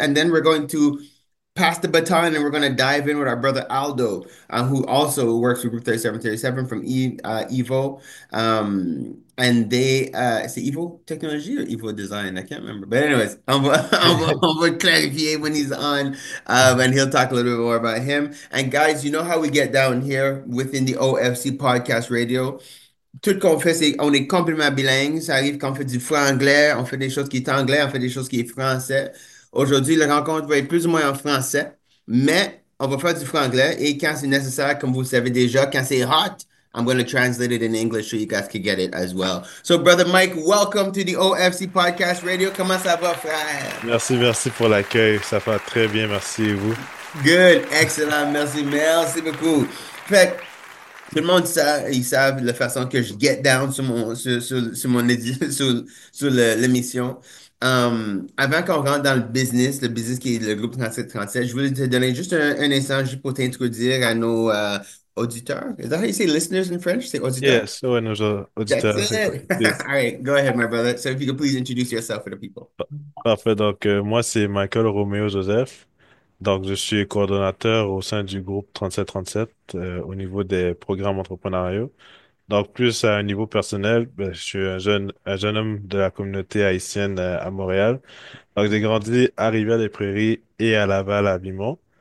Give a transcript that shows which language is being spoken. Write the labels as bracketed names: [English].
[English] And then we're going to pass the baton, and we're going to dive in with our brother Aldo, who also works with Group 3737 from Evo. And they, is it Evo Technology or Evo Design? I can't remember. But anyways, I'm going to clarify when he's on, and he'll talk a little bit more about him. And guys, you know how we get down here within the OFC Podcast Radio. [French] Tout qu'on fait, c'est on est complètement bilingue. Ça arrive qu'on fait du franglais, on fait des choses qui est anglais, on fait des choses qui est français. Aujourd'hui, la rencontre va être plus ou moins en français, mais on va faire du franglais. Et quand c'est nécessaire, comme vous savez déjà, quand c'est hot, [English] I'm going to translate it in English so you guys can get it as well. So, Brother Mike, welcome to the OFC Podcast Radio. [French] Comment ça va, frère? Merci pour l'accueil. Ça va très bien. Merci, et vous? [English] Good. Excellent. [French] Merci beaucoup. Fait tout le monde sait, ils savent la façon que je [English] get down [French] sur l'émission. Avant qu'on rentre dans le business qui est le groupe 37-37, je voulais te donner juste un instant juste pour t'introduire à nos auditeurs. [English] Is that how you say listeners in French? Say auditeurs? Yes, so nos auditeurs. That's it. Yeah. All right, go ahead, my brother. So if you could please introduce yourself for the people. [French] Parfait. Donc, moi, c'est Michael Romeo Joseph. Donc, je suis coordonnateur au sein du groupe 37-37 au niveau des programmes entrepreneuriaux. Donc, plus à un niveau personnel, ben, je suis un jeune homme de la communauté haïtienne à Montréal. Donc, j'ai grandi à Rivière-des-Prairies et à Laval, à Vimont.